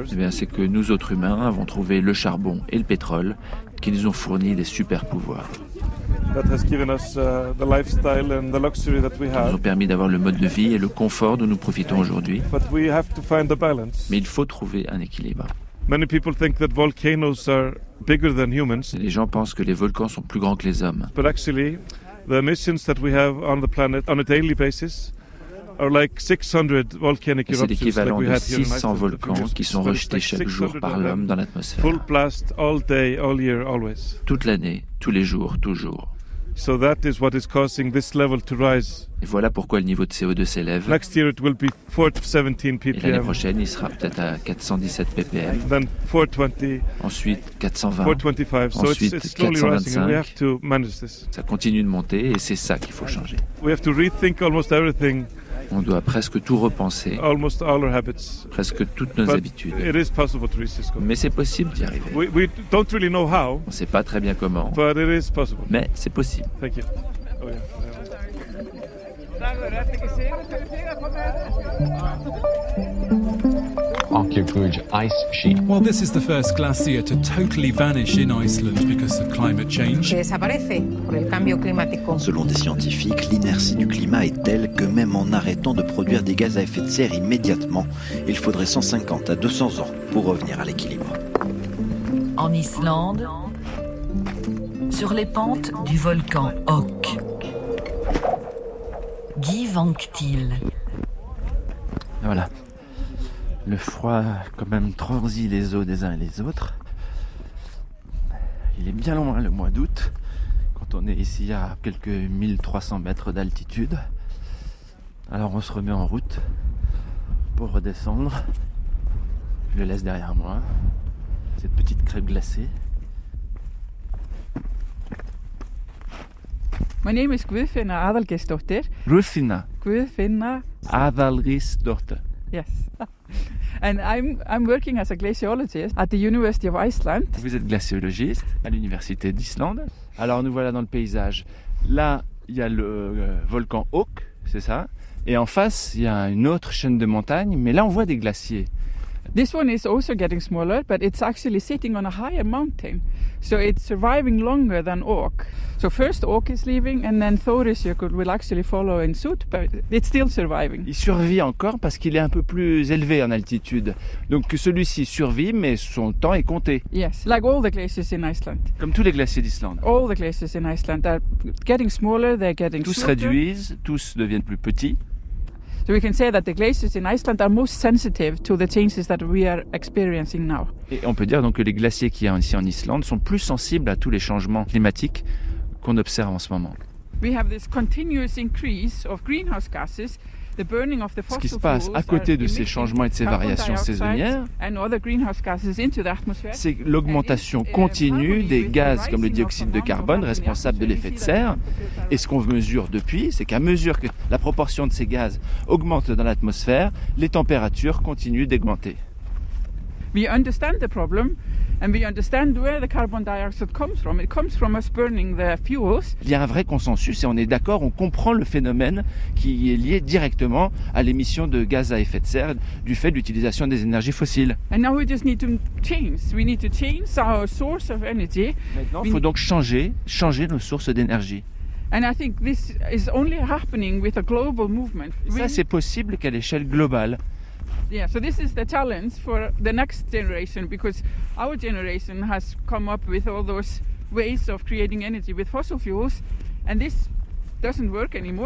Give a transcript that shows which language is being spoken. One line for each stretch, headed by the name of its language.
French: C'est que nous autres humains avons trouvé le charbon et le pétrole qui nous ont fourni des super pouvoirs. Qui nous ont permis d'avoir le mode de vie et le confort dont nous profitons aujourd'hui.
English: But we have to find the balance.
French: Mais il faut trouver un équilibre.
English: Many people think that volcanoes are bigger than humans.
French: Les gens pensent que les volcans sont plus grands que les hommes.
English: But actually, the emissions that we have on the planet on a daily basis are like 600 volcanic eruptions.
French: C'est l'équivalent de 600 volcans qui sont rejetés chaque jour par l'homme dans l'atmosphère.
English: Full blast all day, all year, always.
French: Toute l'année, tous les jours, toujours.
English: So that is what is causing this level to rise.
French: Et voilà pourquoi le niveau de CO2 s'élève.
English: Next year it will be 417 ppm.
French: Et l'année prochaine, il sera peut-être à 417 ppm.
English: Then 420.
French: Ensuite 420.
English: 425.
French: Ensuite,
English: so it's slowly
French: 425.
English: Rising. We have to manage this.
French: Ça continue de monter et c'est ça qu'il faut changer.
English: We have to rethink almost everything.
French: On doit presque tout repenser.
English: Almost all our habits.
French: Presque toutes nos
English: But
French: habitudes.
English: It is possible to reach this goal.
French: Mais c'est possible d'y arriver.
English: We don't really know how.
French: On ne sait pas très bien comment.
English: But it is possible.
French: Mais c'est possible.
English: Thank you. Oh yeah. Okjökull ice sheet. Well, this is the first glacier to totally vanish in Iceland because of climate change.
Spanish: Desaparece por el cambio climático.
French: Selon des scientifiques, l'inertie du climat est telle que même en arrêtant de produire des gaz à effet de serre immédiatement, il faudrait 150 à 200 ans pour revenir à l'équilibre. En Islande, sur les pentes du volcan Ok. Guy Vanctil. Voilà. Le froid quand même transit les os des uns et des autres. Il est bien loin le mois d'août, quand on est ici à quelques 1300 mètres d'altitude. Alors on se remet en route pour redescendre. Je le laisse derrière moi, cette petite crêpe glacée.
English: My name is Guðfinna Aðalgeirsdóttir. Guðfinna. Guðfinna Aðalgeirsdóttir. Yes. And I'm working as a glaciologist at the University of Iceland.
French: Vous êtes glaciologiste à l'université d'Islande. Alors nous voilà dans le paysage. Là, il y a le volcan Ok, c'est ça. Et en face, il y a une autre chaîne de montagnes, mais là on voit des glaciers.
English: This one is also getting smaller, but it's actually sitting on a higher mountain. So it's surviving longer than Ok. So first Ok is leaving and then Þórisjökull will actually follow in suit, but it's still surviving.
French: Il survit encore parce qu'il est un peu plus élevé en altitude. Donc celui-ci survit, mais son temps est compté.
English: Yes, like all the glaciers in Iceland.
French: Comme tous les glaciers d'Islande.
English: All the glaciers in Iceland are getting smaller, they're getting
French: tous
English: shorter.
French: Tous réduisent, tous deviennent plus petits.
English: So we can say that the glaciers in Iceland are most sensitive to the changes that we are experiencing now.
French: Et on peut dire donc que les glaciers qu'il y a ici en Islande sont plus sensibles à tous les changements climatiques qu'on observe en ce moment.
English: We have this continuous increase of greenhouse gases, the burning of the fossil fuels.
French: Ce qui se passe à côté de ces changements et de ces variations saisonnières,
English: and other greenhouse gases into the atmosphere,
French: c'est l'augmentation continue des gaz comme le dioxyde de carbone responsable de l'effet de serre. Et ce qu'on mesure depuis, c'est qu'à mesure que la proportion de ces gaz augmente dans l'atmosphère, les températures continuent d'augmenter.
English: We understand the problem and we understand where the carbon dioxide comes from. It comes from us burning the fuels.
French: Il y a un vrai consensus et on est d'accord, on comprend le phénomène qui est lié directement à l'émission de gaz à effet de serre du fait de l'utilisation des énergies fossiles.
English: And now we just need to change. We need to change our source of energy.
French: Maintenant, il faut donc changer nos sources d'énergie.
English: And I think this is only happening with a global movement.
French: Ça, c'est possible qu'à l'échelle globale.
English: Yeah, so this is the challenge for the next generation because our generation has come up with all those ways of creating energy with fossil fuels and this doesn't work anymore.